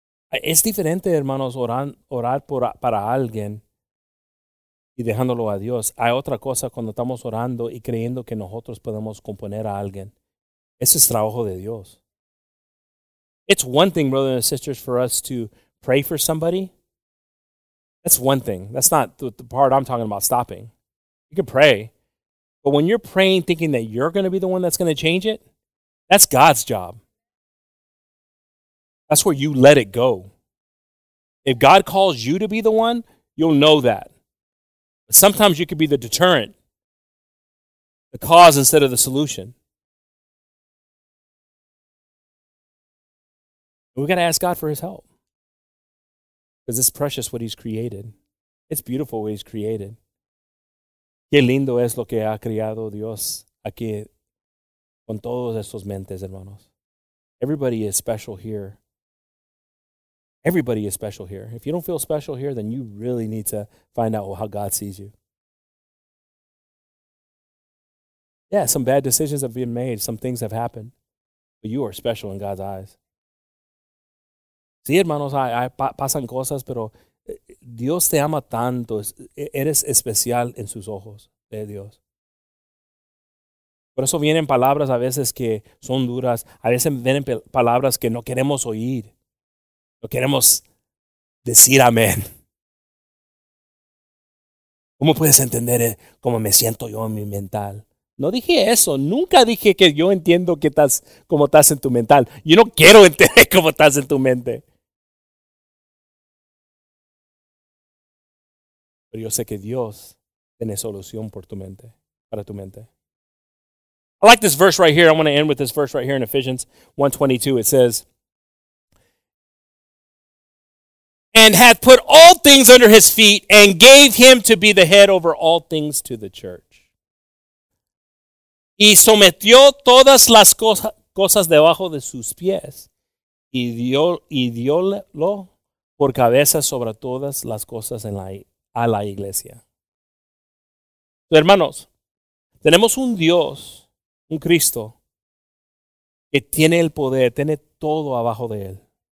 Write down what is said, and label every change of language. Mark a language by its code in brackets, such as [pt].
[es] Es diferente, hermanos, orar para alguien y dejándolo a Dios. Hay otra cosa cuando estamos orando y creyendo que nosotros podemos componer a alguien. Ese es trabajo de Dios. [en] It's one thing, brothers and sisters, for us to pray for somebody. That's one thing. That's not the part I'm talking about stopping. You can pray. But when you're praying thinking that you're going to be the one that's going to change it, that's God's job. That's where you let it go. If God calls you to be the one, you'll know that. But sometimes you could be the deterrent, the cause instead of the solution. We've got to ask God for his help. Because it's precious what he's created. It's beautiful what he's created. [es] Qué lindo es lo que ha creado Dios aquí con todos estos mentes, hermanos. [en] Everybody is special here. Everybody is special here. If you don't feel special here, then you really need to find out how God sees you. Yeah, some bad decisions have been made. Some things have happened. But you are special in God's eyes. [es] Sí, hermanos, hay, pasan cosas, pero Dios te ama tanto. Eres especial en sus ojos de Dios. Por eso vienen palabras a veces que son duras. A veces vienen palabras que no queremos oír. No queremos decir amén. ¿Cómo puedes entender cómo me siento yo en mi mental? No dije eso. Nunca dije que yo entiendo que estás, cómo estás en tu mental. Yo no quiero entender cómo estás en tu mente. Pero yo sé que Dios tiene solución por tu mente, para tu mente. [en] I like this verse right here. I want to end with this verse right here in Ephesians 1:22. It says, and hath put all things under his feet and gave him to be the head over all things to the church. [es] Y sometió todas las cosas debajo de sus pies y dio por cabeza sobre todas las cosas en la a la iglesia. Hermanos, tenemos un Dios, un Cristo, que tiene el poder, tiene todo abajo de él.